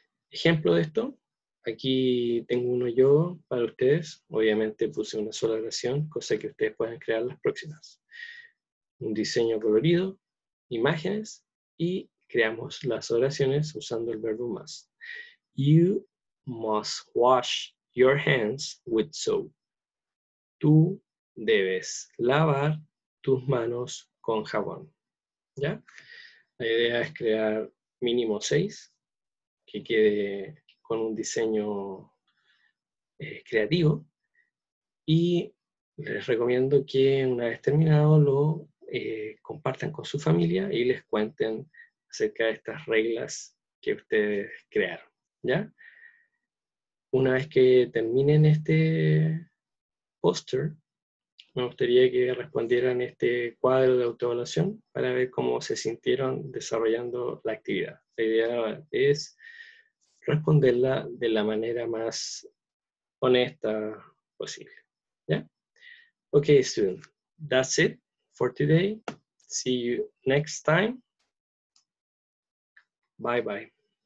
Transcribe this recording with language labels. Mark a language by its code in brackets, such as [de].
[es] Ejemplo de esto. Aquí tengo uno yo para ustedes. Obviamente puse una sola oración, cosa que ustedes puedan crear las próximas. Un diseño colorido, imágenes y creamos las oraciones usando el verbo must. [en] You must wash your hands with soap. [es] Tú debes lavar tus manos con jabón. ¿Ya? La idea es crear mínimo 6 que quede con un diseño creativo. Y les recomiendo que una vez terminado lo compartan con su familia y les cuenten acerca de estas reglas que ustedes crearon. ¿Ya? Una vez que terminen este póster, me gustaría que respondieran este cuadro de autoevaluación para ver cómo se sintieron desarrollando la actividad. La idea es responderla de la manera más honesta posible. [en] Yeah? Okay, student. That's it for today. See you next time. Bye bye.